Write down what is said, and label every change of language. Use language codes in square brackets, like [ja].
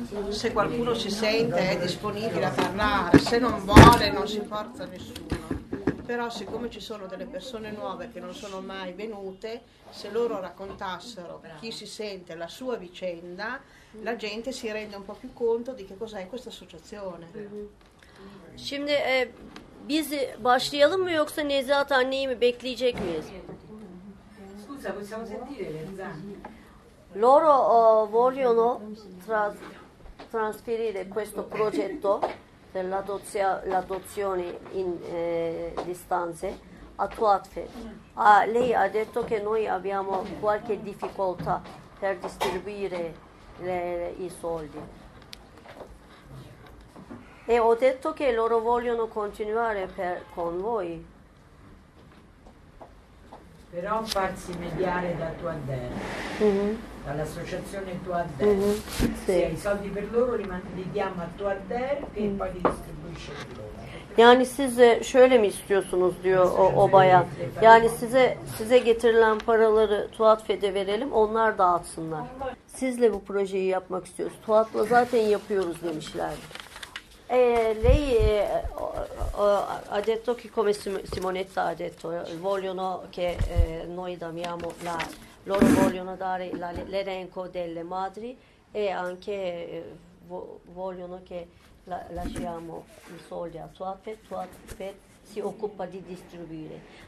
[it] Se qualcuno si sente è disponibile a parlare, se non vuole non si forza nessuno. Però siccome ci sono delle persone nuove che non sono mai venute, se loro raccontassero chi si sente, la sua vicenda, la gente si rende un po' più conto di che cos'è questa associazione. [tr] Şimdi biz başlayalım mı yoksa Nezahat anneyi mi bekleyecek miyiz? [it] Scusa, possiamo sentire l'esame. Loro vogliono trasferire questo progetto dell'adozione in distanze a Tuatfe. Lei ha detto che noi abbiamo qualche difficoltà per distribuire i soldi. E ho detto che loro vogliono continuare con voi. Però farsi mediare da Tuadè, dall'associazione Tuadè. Se hai i soldi per loro li diamo a Tuadè che poi li distribuisce per loro. [tr] Yani siz şöyle mi istiyorsunuz diyor o bayan. Yani size getirilen paraları Tuat Fed'e verelim, onlar dağıtsınlar. Sizle bu projeyi yapmak istiyoruz. Tuat'la zaten yapıyoruz demişlerdi. [it] Lei ha detto che come Simonetta ha detto vogliono che noi damiamo la loro vogliono dare l'elenco delle madri e anche vogliono che lasciamo i soldi a Tuat Fed si occupa di distribuire.